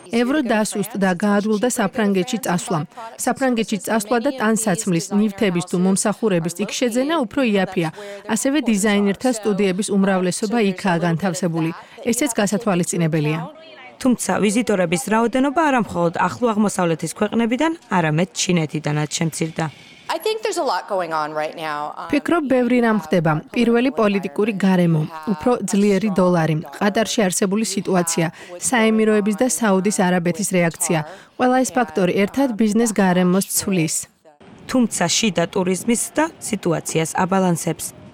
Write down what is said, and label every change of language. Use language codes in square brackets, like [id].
[ka] ევრო დასუსტდა, გაადვილდა საფრანგეთში წასვლა. საფრანგეთში წასვლა და ტანსაცმლის, ნივთების თუ მომსახურების იქ შეძენა უფრო იაფია. ასევე დიზაინერთა სტუდიების უმრავლესობა იქაა განთავსებული. ესეც გასათვალისწინებელია. თუმცა ვიზიტორების რაოდენობა არა მხოლოდ ახლო აღმოსავლეთის ქვეყნებიდან, არამედ ჩინეთიდანაც შემცირდა. [en] I think there's a lot going on right now. [ka] ფიქრობ, ბევრი რამ ხდება. პირველი პოლიტიკური გარემო, უფრო ძლიერი დოლარი, ყატარში არსებული სიტუაცია, საემიროების და საუდის არაბეთის რეაქცია. ყველა ეს ფაქტორი ერთად ბიზნეს გარემოს ცვლის. თუმცა შიდა ტურიზმის და სიტუაციას აბალანსებს.